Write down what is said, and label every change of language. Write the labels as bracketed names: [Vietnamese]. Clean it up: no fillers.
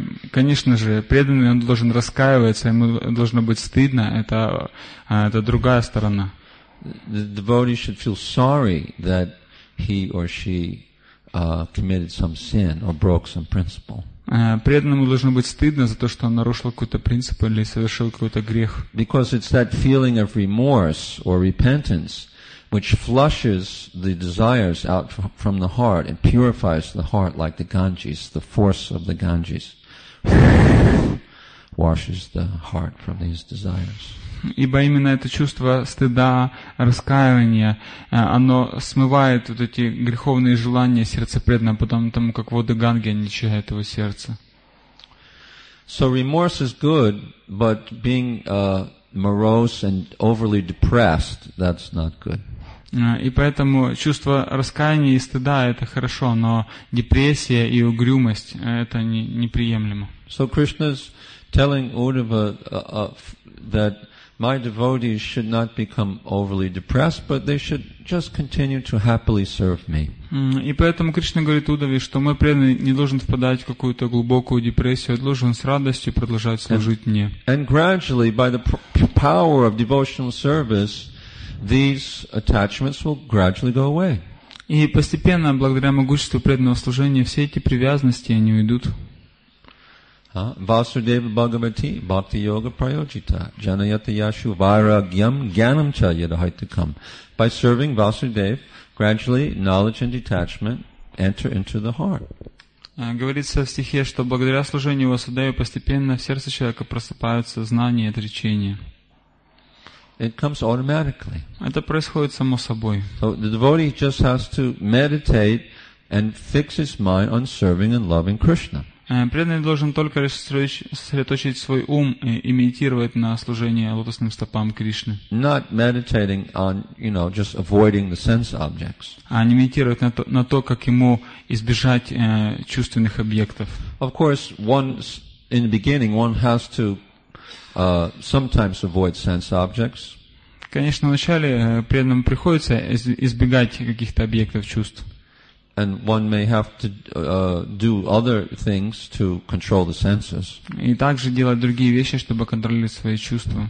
[Russian] Конечно же, преданный он должен раскаиваться, ему должно быть стыдно. Это другая сторона. [English] The devotee should feel sorry that he or she committed some sin or broke some principle. [Russian] Преданному должно быть стыдно за то, что он нарушил какой-то принцип или совершил какой-то грех. [English] Because it's that feeling of remorse or repentance which flushes the desires out from the heart and purifies the heart like the Ganges, the force of the Ganges washes the heart from these desires. [Russian] Ибо именно это чувство стыда, раскаяния, оно смывает вот эти греховные желания сердца преданного, потом тому, как воды Ганги очищают его сердце. [English] So remorse is good, but being morose and overly depressed, that's not good. [Russian] И поэтому чувство раскаяния и стыда – это хорошо, но депрессия и угрюмость – это неприемлемо. [English] So Krishna is telling Uddhava that my devotees should not become overly depressed, but they should just continue to happily serve me. [Russian] И поэтому Кришна говорит Уддхаве, что мой преданный не должен впадать в какую-то глубокую депрессию, а должен с радостью продолжать служить мне. [English] And gradually, by the power of devotional service, these attachments will gradually go away. [Russian] И постепенно, благодаря могуществу преданного служения, все эти привязанности они уйдут. [Sanskrit] Vasudeva Bhagavati Bhakti Yoga Prayojita Janayata Yashu Vairagyam Gyanam Cha Yadahaitakam. [English] By serving Vasudeva, gradually knowledge and detachment enter into the heart. [Russian] Говорится в стихе, что благодаря служению Васудеве постепенно в сердце человека просыпаются знания и отречения. [English] It comes automatically. [Russian] Это происходит само собой. [English] So the devotee just has to meditate and fix his mind on serving and loving Krishna. [Russian] Преданный должен только сосредоточить свой ум и медитировать на служении лотосным стопам Кришны. [English] Not meditating on, you know, just avoiding the sense objects. [Russian] А не медитировать на то, как ему избежать чувственных объектов. [English] Of course, one in the beginning, one has to sometimes avoid sense objects. [Russian] Конечно, вначале преданному приходится избегать каких-то объектов чувств. [English] And one may have to do other things to control the senses. [Russian] И также делать другие вещи, чтобы контролировать свои чувства.